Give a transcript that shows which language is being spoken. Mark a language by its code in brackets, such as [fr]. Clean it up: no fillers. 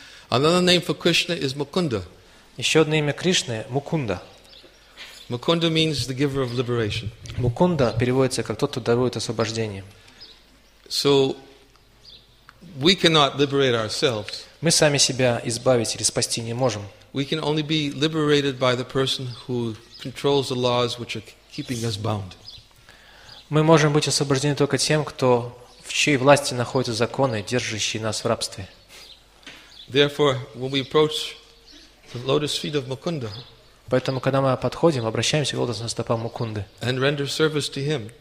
[en] Another name for Krishna is Mukunda. [ru] Еще одно имя Кришны – Мукунда. [en] Mukunda means the giver of liberation. [ru] Мукунда переводится как тот, кто дарует освобождение. [en] So we cannot liberate ourselves. [ru] Мы сами себя избавить или спасти не можем. [en] We can only be liberated by the person who controls the laws which are keeping us bound. [ru] Мы можем быть освобождены только тем, кто в чьей власти находятся законы, держащие нас в рабстве. [en] Therefore, when we approach the lotus feet of Mukunda, [ru] поэтому, когда мы подходим, обращаемся к лотосным стопам Мукунды [en] and render service to him,